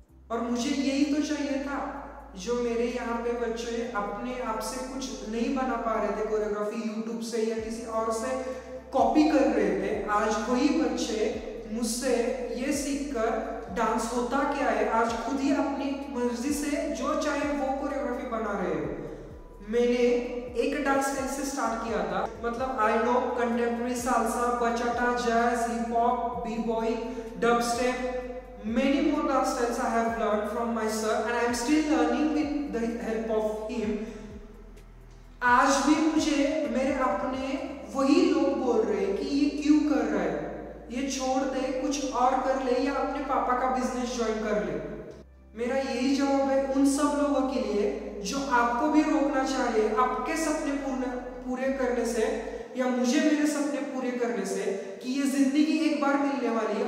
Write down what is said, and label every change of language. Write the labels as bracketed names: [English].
[Hindi] और मुझे यही तो चाहिए था। जो मेरे यहाँ पे बच्चे अपने आप से कुछ नहीं बना पा रहे थे कोरियोग्राफी यूट्यूब से या किसी और से कॉपी कर रहे थे, आज वही बच्चे मुझसे ये सीखकर डांस होता क्या है आज खुद ही अपनी मर्जी से जो चाहे वो कोरियोग्राफी बना रहे हैं। मैंने एक डांस से स्टार्ट किया था, मतलब I know contemporary salsa, बचाटा, jazz, hip hop, B boy, dubstep, [English] many more dance styles I have learned from my sir and I am still learning with the help of him. [Hindi] आज भी मुझे मेरे अपने वही लोग बोल रहे हैं कि ये क्यों कर रहा है, ये छोड़ दे, कुछ और कर ले या अपने पापा का बिजनेस ज्वाइन कर ले। मेरा यही जवाब है उन सब लोगों के लिए जो आपको भी रोकना चाह रहे हैं आपके सपने पूरे करने से या मुझे मेरे सपने पूरे करने से कि ये जिंदगी एक बार मिलने वाली है।